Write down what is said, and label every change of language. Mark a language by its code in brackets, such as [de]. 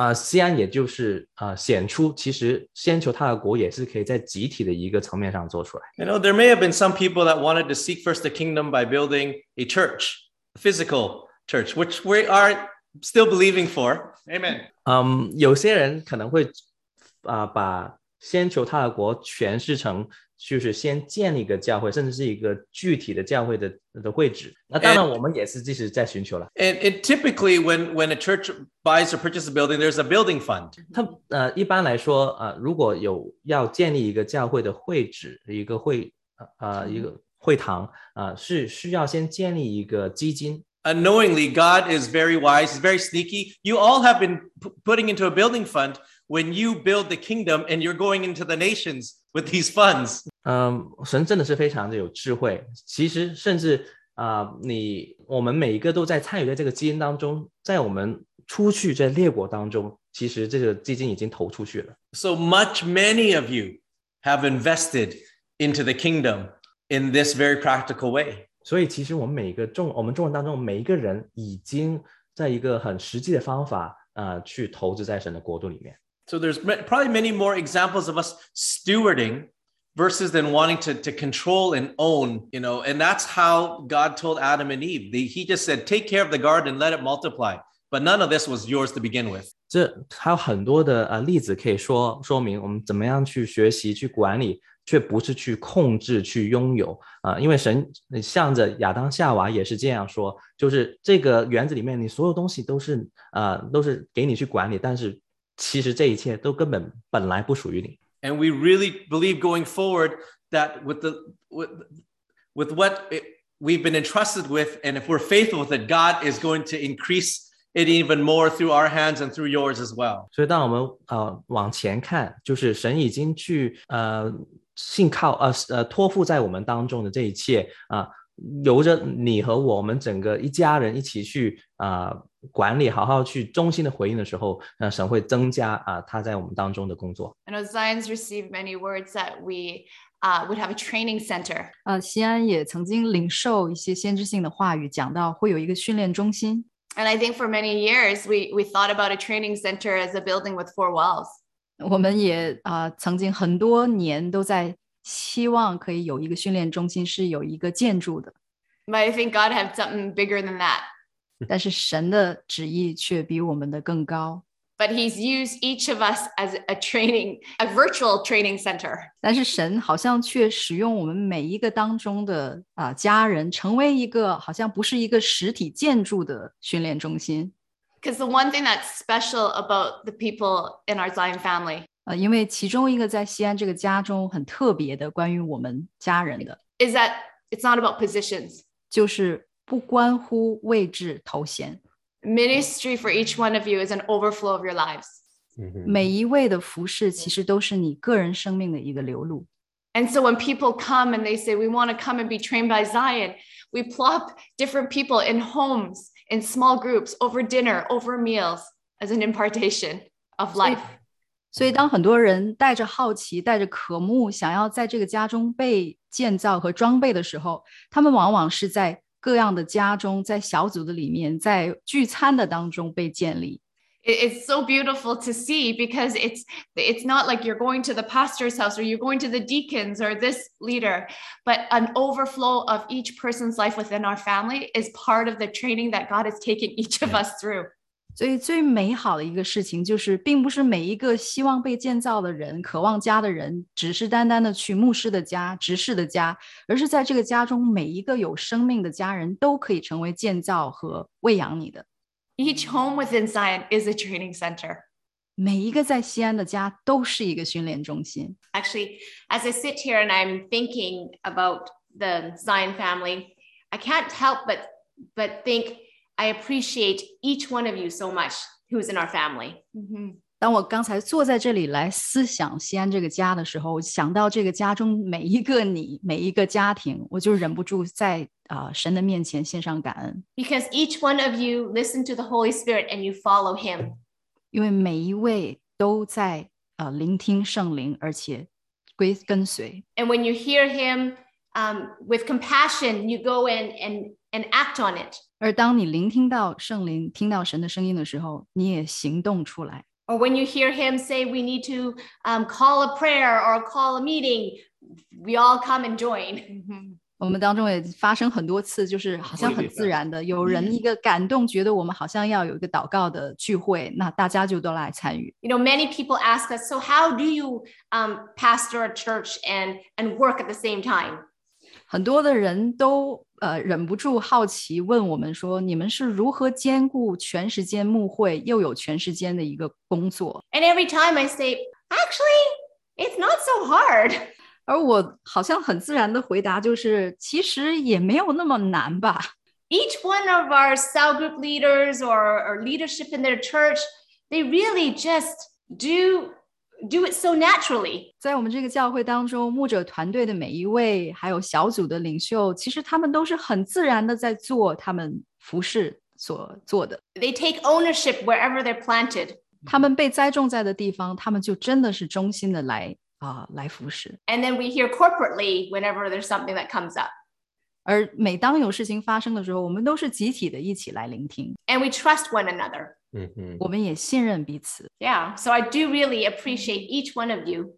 [zh] 西安也就是显出其实先求他的国也是可以在集体的一个层面上做出来。 [en] You know, there may have been some people that wanted to seek first the kingdom by building a church. Physical church, which we are still believing for. Amen. [zh] 有些人可能会把先求他的国诠释成就是先建立一个教会，甚至是一个具体的教会的会址。那当然，我们也是继续在寻求了。 [en] And typically, when a church buys or purchases a building, there's a building fund. [zh] 他一般来说如果有要建立一个教会的会址，一个会一个。会堂是需要先建立一个基金。 [en] Unknowingly, God is very wise, is very sneaky. You all have been putting into a building fund when you build the kingdom and you're going into the nations with these funds. [zh] 神真的是非常的有智慧。其实甚至我们每一个都在参与在这个基金当中，在我们出去在列国当中，其实这个基金已经投出去了。 [en] So much many of you have invested into the kingdom. In this very practical way. [zh] 所以其实我们众人当中每一个人已经在一个很实际的方法去投资在神的国度里面。 [en] So there's probably many more examples of us stewarding versus than wanting to control and own, you know, and that's how God told Adam and Eve. He just said, take care of the garden, let it multiply. But none of this was yours to begin with. [zh] 这还有很多的例子可以说明我们怎么样去学习去管理却不是去控制去拥有、因为神向着亚当夏娃也是这样说，就是这个园子里面你所有东西都是、都是给你去管理，但是其实这一切都根本本来不属于你。 [en] And we really believe going forward that with what we've been entrusted with, and if we're faithful with it, God is going to increase it even more through our hands and through yours as well. [zh] 所以当我们、往前看，就是神已经去、信靠、托付在我们当中的这一切、由着你和我们整个一家人一起去、管理，好好去忠心的回应的时候，那神会增加、他在我们当中的工作。 [en] I know Zion's received many words that we、would have a training center. [zh] 西安也曾经领受一些先知性的话语，讲到会有一个训练中心。 [en] And I think for many years, we thought about a training center as a building with four walls. [zh] 我们也、曾经很多年都在希望可以有一个训练中心是有一个建筑的。 [en] But I think God has something bigger than that. [zh] 但是神的旨意却比我们的更高。 [en] But he's used each of us as a training, a virtual training center. [zh] 但是神好像却使用我们每一个当中的、家人成为一个好像不是一个实体建筑的训练中心。 [en] Because the one thing that's special about the people in our Zion family. [zh] 因为其中一个在西安这个家中很特别的关于我们家人的。 [en] Is that it's not about positions. [zh] 就是不关乎位置头衔。 [en] Ministry for each one of you is an overflow of your lives. [zh] 每一位的服事其实都是你个人生命的一个流露。 [en] And so when people come and they say, we want to come and be trained by Zion, we plop different people in homes, in small groups, over dinner, over meals, as an impartation of life. [zh] 所以当很多人带着好奇，带着渴慕，想要在这个家中被建造和装备的时候，他们往往是在各样的家中，在小组的里面，在聚餐的当中被建立。 [en] It's so beautiful to see because it's not like you're going to the pastor's house or you're going to the deacons or this leader, but an overflow of each person's life within our family is part of the training that God has taken each of us through. [zh] 所以最美好的一个事情就是，并不是每一个希望被建造的人、渴望家的人，只是单单的去牧师的家、执事的家，而是在这个家中每一个有生命的家人都可以成为建造和喂养你的。 [en] Each home within Zion is a training center. [zh] 每一个在西安的家都是一个训练中心。 [en] Actually, as I sit here and I'm thinking about the Zion family, I can't help but think I appreciate each one of you so much who's in our family. [zh] 当我刚才坐在这里来思想西安这个家的时候，想到这个家中每一个你，每一个家庭，我就忍不住在神的面前献上感恩。 [en] Because each one of you listen to the Holy Spirit and you follow him. [zh] 因为每一位都在聆听圣灵，而且归跟随。 [en] And when you hear him, with compassion, you go in and act on it. [zh] 而当你聆听到圣灵，听到神的声音的时候，你也行动出来。 [en] Or when you hear him say, we need to call a prayer or call a meeting, we all come and join. [zh] 我们当中也发生很多次，就是好像很自然的，有人一个感动，觉得我们好像要有一个祷告的聚会，那大家就都来参与。 [en] You know, many people ask us, so how do you pastor a church and work at the same time? [zh] 很多的人都忍不住好奇问我们说，你们是如何兼顾全时间牧会又有全时间的一个工作。 [en] And every time I say, actually, it's not so hard. [zh] 而我好像很自然的回答就是，其实也没有那么难吧。 [en] Each one of our cell group leaders or leadership in their church, they really just do it so naturally. [zh] 在我们这个教会当中，牧者团队的每一位还有小组的领袖，其实他们都是很自然的在做他们服事所做的。 [en] They take ownership wherever they're planted. [zh] 他们被栽种在的地方，他们就真的是忠心的来服事。 [en] And then we hear corporately whenever there's something that comes up. [zh] 而每当有事情发生的时候，我们都是集体的一起来聆听。 [en] And we trust one another. [zh] Mm-hmm. 我们也信任彼此。 [en] Yeah, so I do really appreciate each one of you.